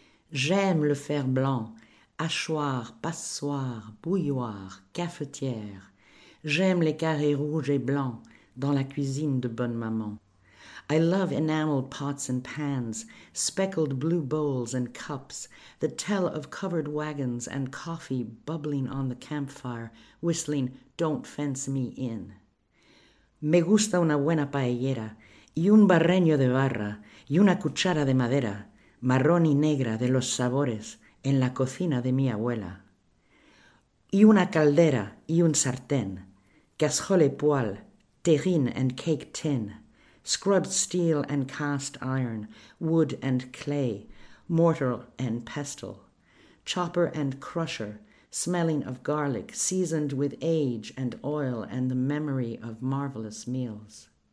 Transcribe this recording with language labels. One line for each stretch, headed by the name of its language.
French: J'aime le fer blanc, hachoir, passoire, bouilloire, cafetière. J'aime les carrés rouges et blancs dans la cuisine de bonne maman.
English: I love enameled pots and pans, speckled blue bowls and cups that tell of covered wagons and coffee bubbling on the campfire, whistling, "Don't fence me in."
Spanish: Me gusta una buena paellera, y un barreño de barra, y una cuchara de madera, marrón y negra de los sabores, en la cocina de mi abuela. Y una caldera y un sartén,
French: cassole et poêle,
English: terrine and cake tin, scrubbed steel and cast iron, wood and clay, mortar and pestle, chopper and crusher, smelling of garlic, seasoned with age and oil and the memory of marvelous meals.